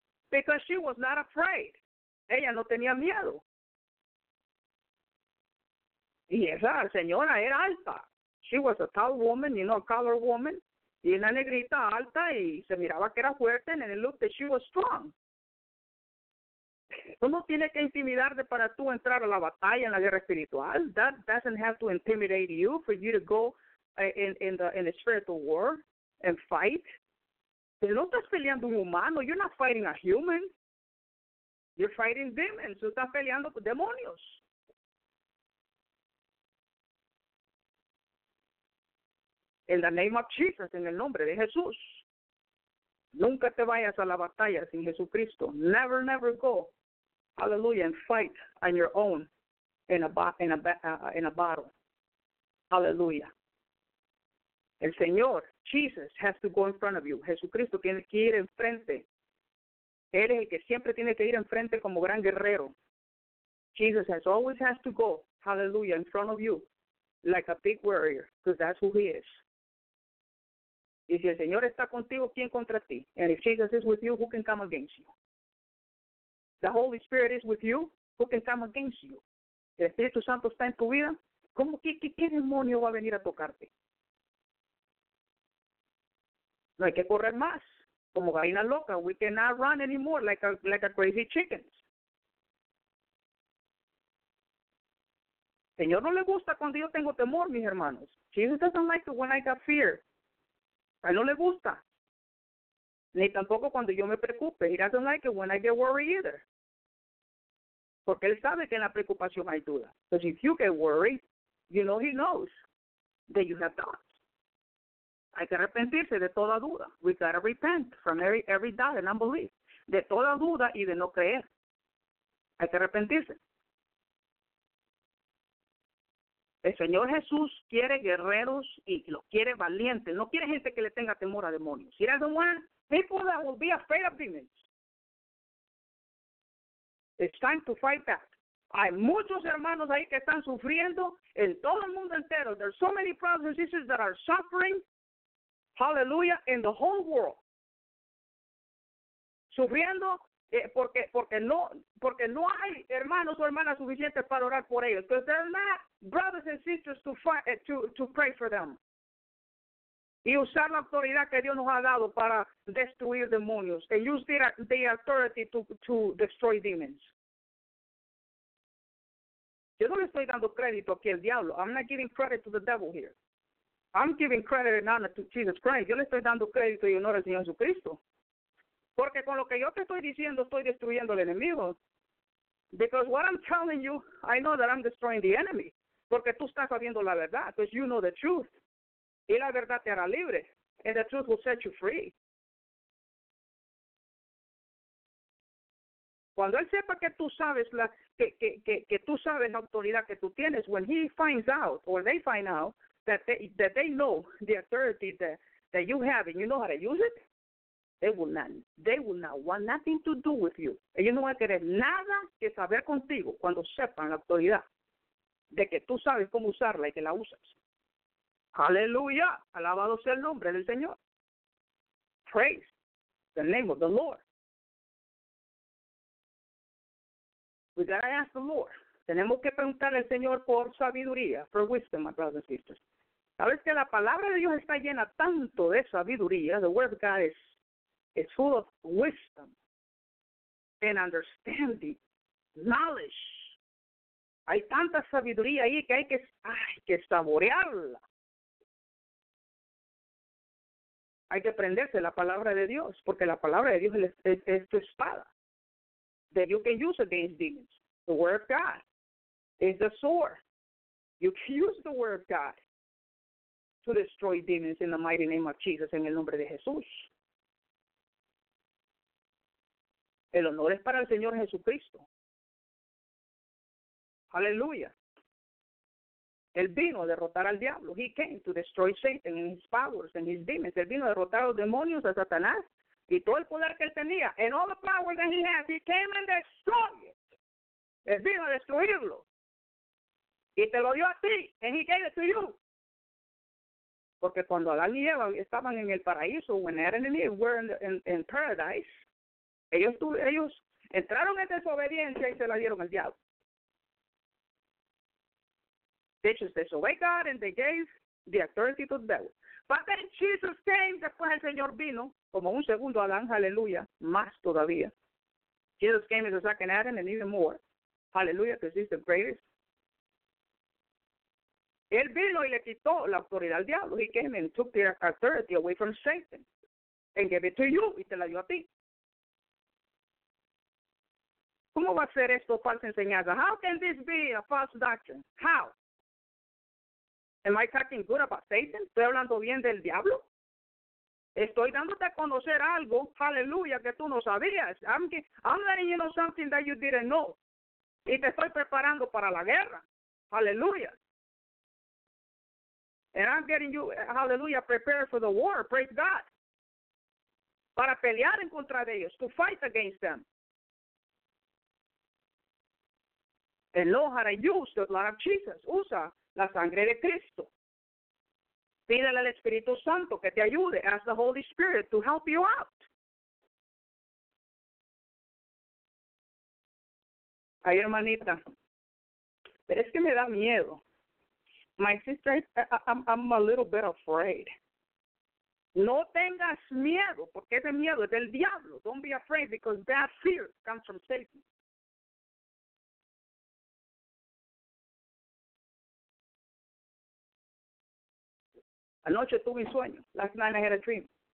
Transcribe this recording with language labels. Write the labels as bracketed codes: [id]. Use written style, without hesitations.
[en] Because she was not afraid. [es] Ella no tenía miedo. Y esa señora era alta. [en] She was a tall woman, you know, a color woman. [es] Y una negrita alta y se miraba que era fuerte [en] and it looked that she was strong. [es] Uno tiene que intimidarte para tú entrar a la batalla en la guerra espiritual. [en] That doesn't have to intimidate you for you to go in the spiritual war and fight. [es] Pero no estás peleando un humano. [en] You're not fighting a human. You're fighting demons. [es] Tú estás peleando con demonios. [en] In the name of Jesus, [es] en el nombre de Jesús. Nunca te vayas a la batalla sin Jesucristo. [en] Never, never go. Hallelujah, and fight on your own in a battle. Hallelujah. El Señor, Jesus, has to go in front of you. [es] Jesucristo tiene que ir enfrente. Él es el que siempre tiene que ir enfrente como gran guerrero. [en] Jesus always has to go, hallelujah, in front of you, like a big warrior, because that's who he is. [es] Y si el Señor está contigo, ¿quién contra ti? [en] And if Jesus is with you, who can come against you? The Holy Spirit is with you. Who can come against you? [es] El Espíritu Santo está en tu vida. ¿Cómo qué demonio va a venir a tocarte? No hay que correr más. Como gallina loca. [en] We cannot run anymore like a crazy chicken. [es] Señor no le gusta cuando yo tengo temor, mis hermanos. [en] Jesus doesn't like it when I got fear. [es] A él no le gusta. Ni tampoco cuando yo me preocupe. [en] He doesn't like it when I get worried either. [es] Porque él sabe que en la preocupación hay duda. [en] Because if you get worried, you know he knows that you have doubts. [es] Hay que arrepentirse de toda duda. [en] We gotta repent from every doubt and unbelief. [es] De toda duda y de no creer. Hay que arrepentirse. El Señor Jesús quiere guerreros y los quiere valientes. No quiere gente que le tenga temor a demonios. [en] He doesn't want people that will be afraid of demons. It's time to fight back. [es] Hay muchos hermanos ahí que están sufriendo en todo el mundo entero. [en] There's so many brothers and sisters that are suffering. Hallelujah. In the whole world. [es] Sufriendo. Porque no hay hermanos o hermanas suficientes para orar por ellos. [en] Because there are not brothers and sisters to pray for them. [es] Y usar la autoridad que Dios nos ha dado para destruir demonios. [en] And use the authority to destroy demons. [es] Yo no le estoy dando crédito aquí al diablo. [en] I'm not giving credit to the devil here. I'm giving credit and honor to Jesus Christ. [es] Yo le estoy dando crédito y honor al Señor Jesucristo. Porque con lo que yo te estoy diciendo, estoy destruyendo al enemigo. [en] Because what I'm telling you, I know that I'm destroying the enemy. [es] Porque tú estás sabiendo la verdad. [en] Because you know the truth. [es] Y la verdad te hará libre. [en] And the truth will set you free. [es] Cuando él sepa que tú sabes que tú sabes la autoridad que tú tienes, [en] when he finds out, or they find out, that they know the authority that you have and you know how to use it, They will not want nothing to do with you. [es] Ellos no van a querer nada que saber contigo cuando sepan la autoridad de que tú sabes cómo usarla y que la usas. Aleluya. Alabado sea el nombre del Señor. [en] Praise the name of the Lord. We gotta ask the Lord. [es] Tenemos que preguntarle al Señor por sabiduría, [en] for wisdom, my brothers and sisters. [es] Sabes que la palabra de Dios está llena tanto de sabiduría. [en] The word of God is full of wisdom and understanding, knowledge. [es] Hay tanta sabiduría ahí que hay que saborearla. Hay que aprenderse la palabra de Dios, porque la palabra de Dios es tu espada. [en] That you can use against demons. The word of God is the sword. You can use the word of God to destroy demons in the mighty name of Jesus, [es] en el nombre de Jesús. El honor es para el Señor Jesucristo. Aleluya. Él vino a derrotar al diablo. [en] He came to destroy Satan and his powers and his demons. [es] Él vino a derrotar a los demonios, a Satanás, y todo el poder que él tenía. [en] And all the power that he has, he came and destroyed it. [es] Él vino a destruirlo. Y te lo dio a ti. [en] And he gave it to you. [es] Porque cuando Adán y Eva estaban en el paraíso, [en] when Adam and Eve were in paradise, [es] ellos entraron en desobediencia y se la dieron al diablo. [en] They just disobeyed God and they gave the authority to the devil. But then Jesus came, [es] después el Señor vino, como un segundo Adán, aleluya, más todavía. [en] Jesus came as a second Adam and even more. Hallelujah, because he's the greatest. [es] Él vino y le quitó la autoridad al diablo. [en] He came and took the authority away from Satan and gave it to you, [es] y te la dio a ti. ¿Cómo va a ser esto falsa enseñanza? [en] How can this be a false doctrine? How? Am I talking good about Satan? [es] ¿Estoy hablando bien del diablo? Estoy dándote a conocer algo, aleluya, que tú no sabías. [en] I'm letting you know something that you didn't know. [es] Y te estoy preparando para la guerra. Aleluya. [en] And I'm getting you, hallelujah, prepared for the war, praise God. [es] Para pelear en contra de ellos, [en] to fight against them. And know how to use the blood of Jesus. [es] Usa la sangre de Cristo. Pídele al Espíritu Santo que te ayude. [en] Ask the Holy Spirit to help you out. [es] Ay, hermanita, pero es que me da miedo. [en] My sister, I'm a little bit afraid. [es] No tengas miedo, porque ese miedo es del diablo. [en] Don't be afraid, because that fear comes from Satan. [es] Anoche tuve un sueño. [en] Last night I had a dream.